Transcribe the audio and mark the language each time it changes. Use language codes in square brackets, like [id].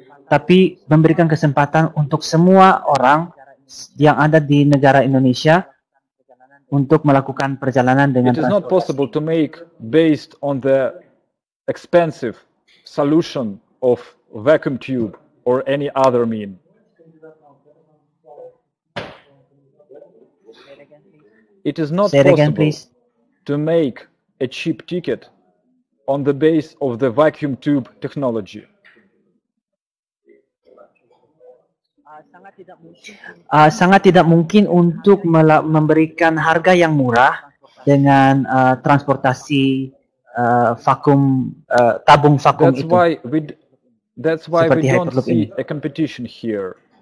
[id] Tapi memberikan kesempatan untuk semua orang yang ada di negara Indonesia untuk melakukan perjalanan dengan transportasi. [en] It is not possible to make based on the expensive solution of vacuum tube or any other mean. It is not possible to make a cheap ticket on the base of the vacuum tube technology. [id] Sangat tidak mungkin untuk memberikan harga yang murah dengan transportasi vakum tabung vakum [en] that's [id] itu. [en] That's why we don't see a competition here.